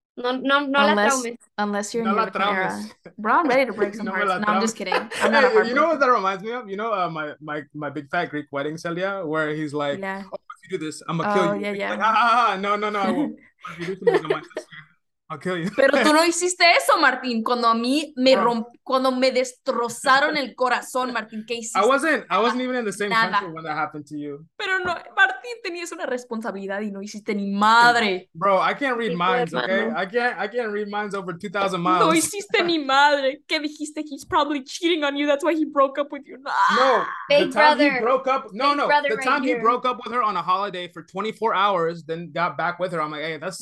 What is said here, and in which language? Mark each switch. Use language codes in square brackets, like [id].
[en] Unless you're in your era. Bro, I'm ready to break some hearts. No, I'm just kidding. I'm not you know what that reminds me of? You know my big fat Greek wedding, Celia, where he's like, oh, if you do this, I'm going to kill you. No, I won't. If you do something, I'm going to kill you. I'll kill you. [es] Pero tú no hiciste eso, Martín. Cuando a mí me cuando me destrozaron el corazón, Martín, ¿qué hiciste? [en] I wasn't even in the same country when that happened to you. [es] Pero no, Martín, tenías una responsabilidad y no hiciste ni madre. [en] Bro, I can't read minds, okay? I can't read minds over 2,000 miles. [es] No hiciste ni madre. ¿Qué dijiste? [en] He's probably cheating on you. That's why he broke up with you. No, he broke up with her on a holiday for 24 hours, then got back with her. I'm like, hey, that's